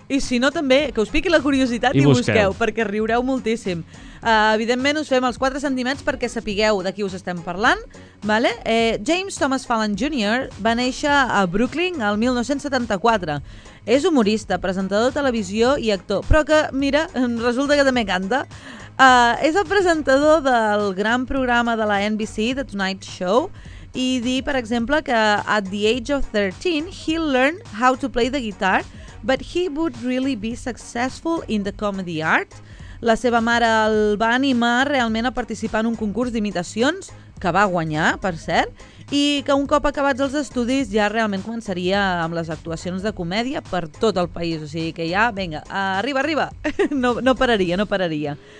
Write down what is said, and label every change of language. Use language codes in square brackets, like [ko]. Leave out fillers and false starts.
[ca] I si no, també, que us piqui la curiositat i busqueu, perquè riureu moltíssim. Evidentment, us fem els 4 sentiments perquè sapigueu de qui us estem parlant. Vale? James Thomas Fallon Jr. va néixer a Brooklyn el 1974. És humorista, presentador de televisió i actor, però que, mira, resulta que també canta. És el presentador del gran programa de la NBC, The Tonight Show, i dir, per exemple, que [en] at the age of 13, he learned how to play the guitar, but he would really be successful in the comedy art. [ca] La seva mare el va animar realment a participar en un concurs d'imitacions, que va guanyar, per cert, i que un cop acabats els estudis ja realment començaria amb les actuacions de comèdia per tot el país. O sigui que ja, vinga, arriba, arriba. No pararia.